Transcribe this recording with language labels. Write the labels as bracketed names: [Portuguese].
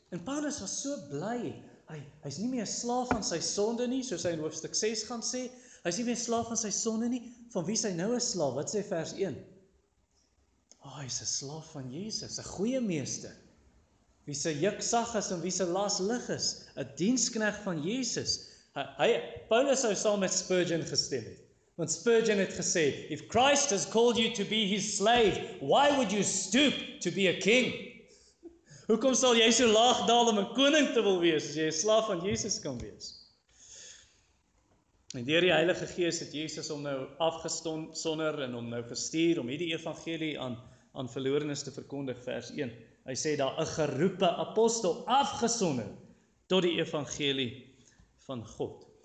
[Afrikaans] En Paulus was so bly, hy is nie meer slaaf van sy sonde nie, soos hy in hoofstuk 6 gaan sê, hy is nie meer slaaf van sy sonde nie, van wie is hy nou 'n slaaf, wat sê vers 1? Oh, hy is 'n slaaf van Jesus, 'n goeie meester, wie sy juk sag is en wie sy las lig is, 'n dienskneg van Jesus. Paulus sou saam met Spurgeon gestem het, want Spurgeon het gesê, [English] if Christ has called you to be his slave, why would you stoop to be a king? [Afrikaans] Hoekom sal jy so laag daal om 'n koning te wil wees, as jy 'n slaaf van Jesus kan wees? En deur die Heilige Gees het Jesus hom nou afgesonder en hom nou gestuur om hierdie evangelie aan verlorenes te verkondig, vers 1. Hy sê daar 'n geroepe apostel afgesonder tot die evangelie van God.